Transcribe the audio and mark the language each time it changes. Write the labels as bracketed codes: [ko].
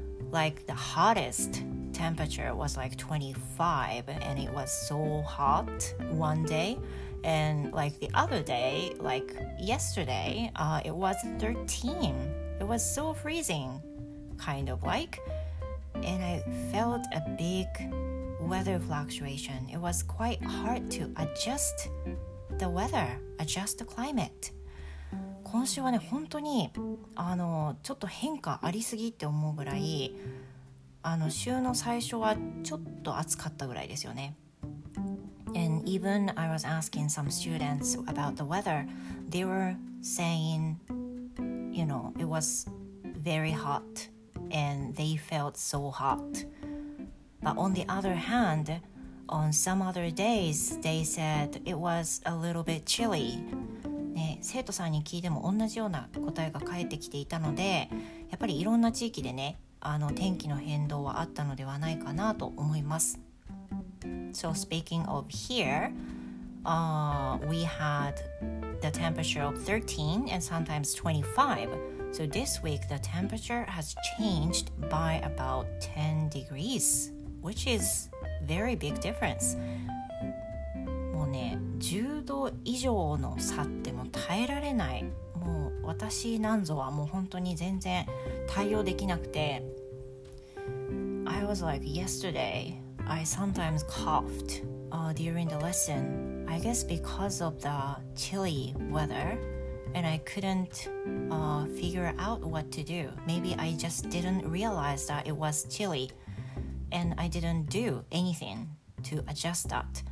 [en] Like the hottest temperature was like 25 and it was so hot one day and like the other day like yesterday it was 13. It was so freezing kind of like and I felt a bigweather fluctuation. It was quite hard to adjust the weather, adjust the climate. [ja] 今週はね、本当にちょっと変化ありすぎって思うぐらい、週の最初はちょっと暑かったぐらいですよね。 [en] And even I was asking some students about the weather, they were saying, you know, it was very hot and they felt so hot. But on the other hand, on some other days, they said it was a little bit chilly. [ja] ね、生徒さんに聞いても同じような答えが返ってきていたので、やっぱりいろんな地域でね、天気の変動はあったのではないかなと思います。 [en] So speaking of here, we had the temperature of 13 and sometimes 25. So this week, the temperature has changed by about 10 degrees. Which is very big difference. [ja] もうね、10度以上の差っても耐えられない。もう私なんぞはもう本当に全然対応できなくて。 [en] I was like yesterday, I sometimes coughed during the lesson. I guess because of the chilly weather, and I couldn't figure out what to do. Maybe I just didn't realize that it was chilly. And I didn't do anything to adjust that.